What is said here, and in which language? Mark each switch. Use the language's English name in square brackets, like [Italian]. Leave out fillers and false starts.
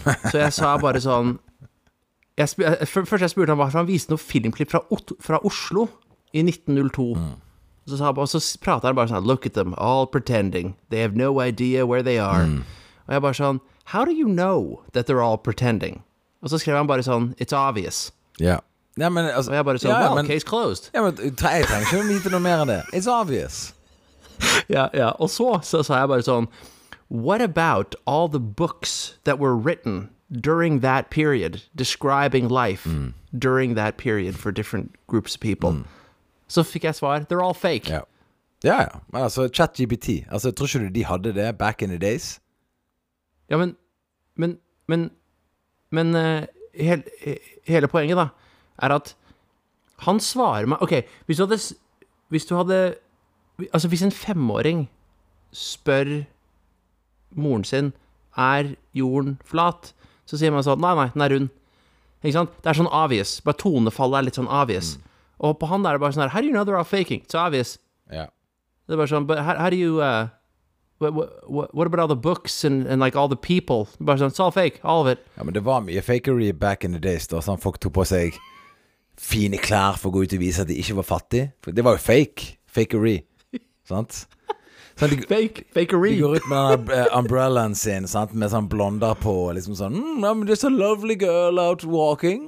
[Norwegian] Så jeg sa bare sånn, først jeg spurte han hvorfor han viste noen filmklipp fra Oslo i 1902. Mm. Så pratet han bare sånn, [English] look at them, all pretending, they have no idea where they are. Mm. [Norwegian] Og jeg bare sånn, [English] how do you know that they're all pretending? [Norwegian] Og så skrev han bare sånn, [English] it's obvious. [Norwegian] Ja. Yeah. Ja, men, altså, og jeg bare så, ja, [English] well, men, case closed. [Norwegian] Ja, men jeg trenger ikke å vite noe mer enn det. [English] It's obvious. [Norwegian] Ja, ja, og så sa jeg bare sånn, [English] what about all the books that were written during that period, describing life mm. during that period for different groups of people? [Norwegian] Mm. Så fikk jeg svar, [English] they're all fake. [Norwegian] Ja, ja, ja. Men altså, ChatGPT, altså, tror ikke du de hadde det [English] back in the days? [Norwegian] Ja, men hele poenget da, at han svarer meg, ok, hvis du hadde, altså hvis en femåring spør moren sin, er jorden flat? Så sier man sånn, nei, den er rund. Ikke sant? Det sånn obvious, bare tonefallet litt sånn obvious. [English] Mm. [Norwegian] Og på han der bare sånn, [English] how do you know they're all faking? It's obvious. Yeah. [Norwegian] Det bare sånn, [English] but how do you, what about all the books and like all the people? [Norwegian] Bare sånn, [English] it's all fake, all of it. [Norwegian] Ja, men det var mye fakery [English] back in the days [Norwegian] da, sånn folk tog på seg fine klær for å gå ut og vise at de ikke var fattige. Det var jo fake. Fakery. Sant? Sånn, fakery. De går ut med denne umbrellaen sin, sant? Med sånn blonder på, liksom sånn, [English] just a lovely girl out walking.